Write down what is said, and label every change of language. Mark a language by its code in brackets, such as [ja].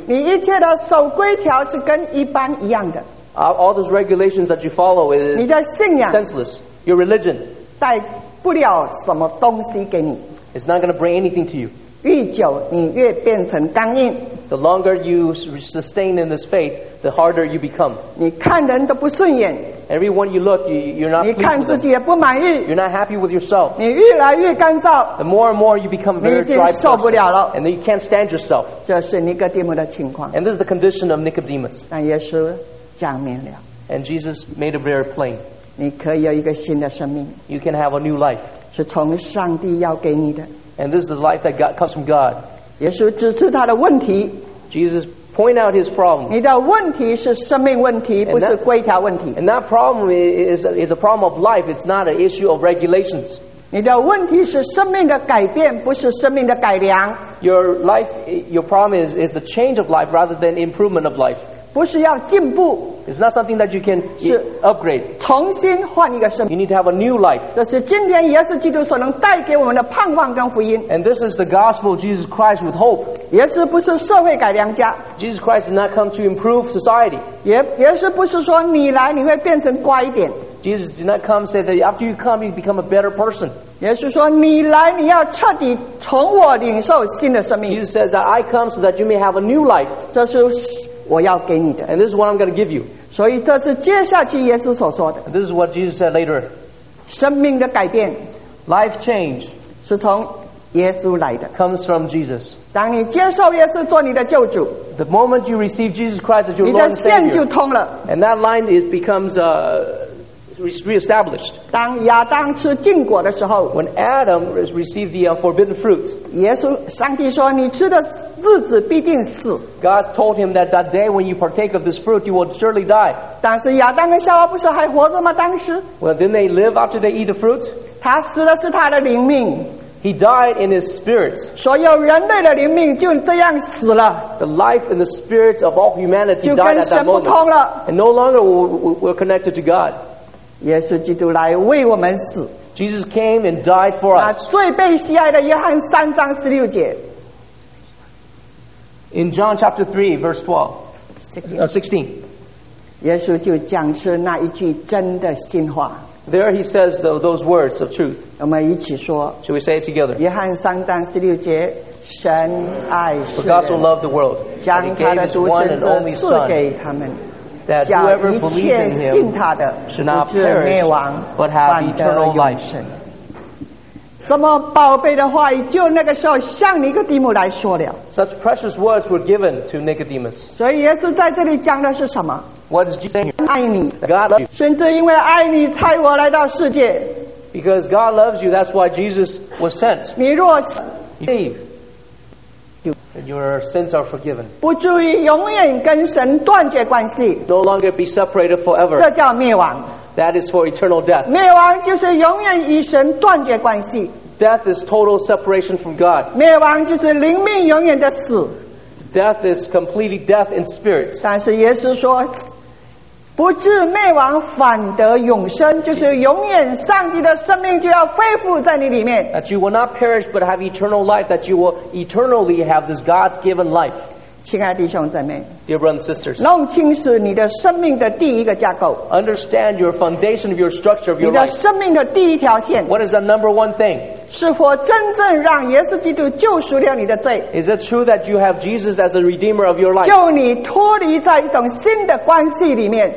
[zh] 你一切的守规条是跟一般一样的。 [en] All those regulations that you follow is senseless. Your religion. [zh] 带不了什么东西给你。 [en] It's not going to bring anything to you. [zh] 越久你越变成刚硬。 [en] The longer you sustain in this faith, the harder you become. [zh] 你看人都不顺眼。 [en] Everyone you look, you're not. [zh] 你看自己也不满意。 [en] You're not happy with yourself. [zh] 你越来越干燥。 [en] The more and more you become very dry. [zh] 你已经受不了了。 [en] And then you can't stand yourself. [zh] 这是尼哥底母的情况。 [en] And this is the condition of Nicodemus. [zh] 但耶稣讲明了。 [en] And Jesus made it very plain. [zh] 你可以有一个新的生命。 [en] You can have a new life. [zh] 是从上帝要给你的。 [en] And this is the life that God, comes from God. [zh] 耶稣指出他的问题。 [en] Jesus point out his problem. [zh] 你的问题是生命问题，不是规条问题。 [en] And that problem is a problem of life. It's not an issue of regulations. [zh] 你的问题是生命的改变，不是生命的改良。 [en] Your problem is a change of life rather than improvement of life. [zh] 不是要进步。 [en] It's not something that you can upgrade. [zh] 重新换一个生命。 [en] You need to have a new life. [zh] 这是今天耶稣基督所能带给我们的盼望跟福音。 [en] And this is the gospel of Jesus Christ with hope. [zh] 耶稣不是社会改良家。 [en] Jesus Christ did not come to improve society. [zh] 耶稣不是说你来你会变成乖一点。 [en] Jesus did not come say that after you come you become a better person. [zh] 耶稣说你来你要彻底从我领受新的生命。 [en] Jesus says that I come so that you may have a new life. [zh] 这是我要给你的。 [en] And this is what I'm going to give you. [zh] 所以这是接下去耶稣所说的。 [en] And this is what Jesus said later. [zh] 生命的改变。 [en] Life change. [zh] 是从耶稣来的。 [en] Comes from Jesus. [zh] 当你接受耶稣做你的救主。 [en] The moment you receive Jesus Christ as your Lord and Savior. [zh] 你的线就通了。 [en] And that line is becomes reestablished. [zh] 当亚当吃禁果的时候。 [en] When Adam received the forbidden fruit. [zh] 耶稣上帝说你吃的日子必定死。 [en] God told him that that day when you partake of this fruit, you will surely die. [zh] 但是亚当跟夏娃不是还活着吗当时。 [en] Well, didn't they live after they eat the fruit? [zh] 他死的是他的灵命。 [en] He died in his spirit. [zh] 所有人类的灵命就这样死了。 [en] The life and the spirit of all humanity died at that moment. [zh] 就跟神不通了。 [en] And no longer we're connected to God. [zh] 耶稣基督来为我们死。 [en] Jesus came and died for us. [zh] 最被喜爱的约翰三章十六节。 [en] In John chapter 3, verse 12, 16. [zh] 耶稣就讲出那一句真的心话。 [en] There he says those words of truth. [zh] 我们一起说。 [en] Should we say it together? [zh] 约翰三章十六节，神爱世人。 [en] For God so loved the world, that he gave his one and only son. [zh] 赐给他们。 [en] That whoever believes in him should not perish, but have eternal life. [zh] 这么宝贝的话语，就那个时候向尼哥底母来说了。 [en] Such precious words were given to Nicodemus. [zh] 所以耶稣在这里讲的是什么 [en] ？What is Jesus saying? [zh] 爱你 [en] ，God loves you. [zh] 甚至因为爱你，才我来到世界。 [en] Because God loves you, that's why Jesus was sent. [zh] 你若是 [en] believe. And your sins are forgiven. [zh] 不注意，永远跟神断绝关系。 [en] No longer be separated forever. [zh] 这叫灭亡。 [en] That is for eternal death. [zh] 灭亡就是永远与神断绝关系。 [en] Death is total separation from God. [zh] 灭亡就是灵命永远的死。 [en] Death is completely death in spirit. [zh] 但是耶稣说，不至灭亡，反得永生，就是永远上帝的生命就要恢复在你里面。 [en] That you will not perish, but have eternal life. That you will eternally have this God's given life. [zh] 亲爱的弟兄姊妹 [en] ，Dear brothers and sisters, [zh] 弄清楚你的生命的第一个架构。 [en] Understand your foundation of your structure of your life. [zh] 你的生命的第一条线。 [en] What is the number one thing? [zh] 是否真正让耶稣基督救赎了你的罪 [en] ？Is it true that you have Jesus as a redeemer of your life? [zh] 救你脱离在一种新的关系里面。